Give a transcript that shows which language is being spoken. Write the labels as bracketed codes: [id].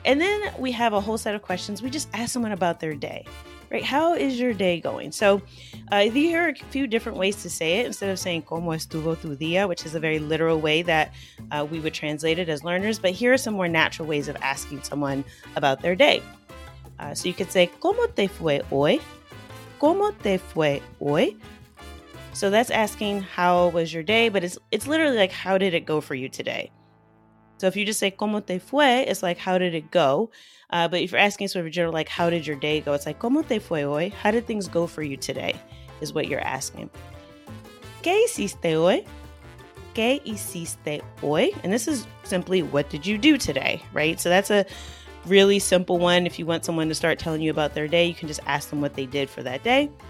[en] And then we have a whole set of questions. We just ask someone about their day, right? How is your day going? So there are a few different ways to say it. Instead of saying [es] ¿cómo estuvo tu día?, [en] which is a very literal way that we would translate it as learners. But here are some more natural ways of asking someone about their day. So you could say [es] ¿cómo te fue hoy? ¿Cómo te fue hoy? [en] So that's asking how was your day, but it's literally like how did it go for you today? So if you just say [es] ¿cómo te fue?, [en] it's like how did it go? But if you're asking sort of a general like how did your day go, it's like [es] ¿cómo te fue hoy? [en] How did things go for you today? Is what you're asking. [es] ¿Qué hiciste hoy? ¿Qué hiciste hoy? [en] And this is simply what did you do today, right? So that's a really simple one. If you want someone to start telling you about their day, you can just ask them what they did for that day.